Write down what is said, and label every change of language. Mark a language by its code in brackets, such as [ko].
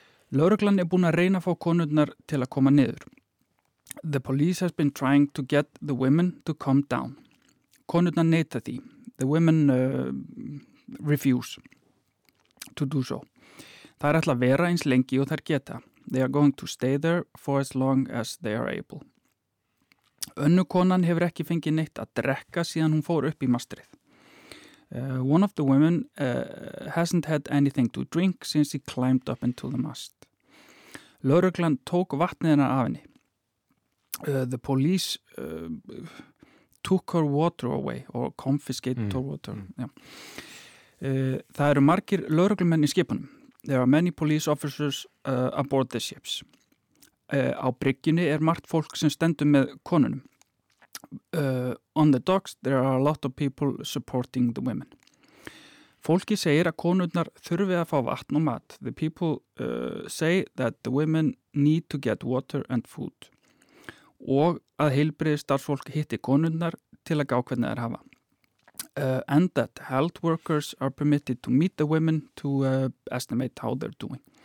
[is] Lögreglan búin að reyna að fá konurnar til að koma niður. [en] The police has been trying to get the women to come down. Konurnar neita því. The women refuse to do so. [is] Það ætla að vera eins lengi og þær geta. [en] They are going to stay there for as long as they are able. [is] Önnu konan hefur ekki fengið neitt að drekka síðan hún fór upp í mastrið. [en] One of the women hasn't had anything to drink since he climbed up into the mast. [is] Lögreglan tók vatnið hennar af henni. [en] The police took her water away or confiscated her water. Yeah. [is] Það eru margir lögreglumenn í skipunum. [en] There are many police officers aboard the ships. [is] Á bryggjunni margt fólk sem stendur með konunum. [en] On the docks, there are a lot of people supporting the women. [is] Fólki segir að konurnar þurfi að fá vatn og mat. [en] The people say that the women need to get water and food. [is] Og að heilbrigðisstarfsfólk hitti konurnar til að gá hvernig þær hafa. [en] And that health workers are permitted to meet the women to estimate how they're doing.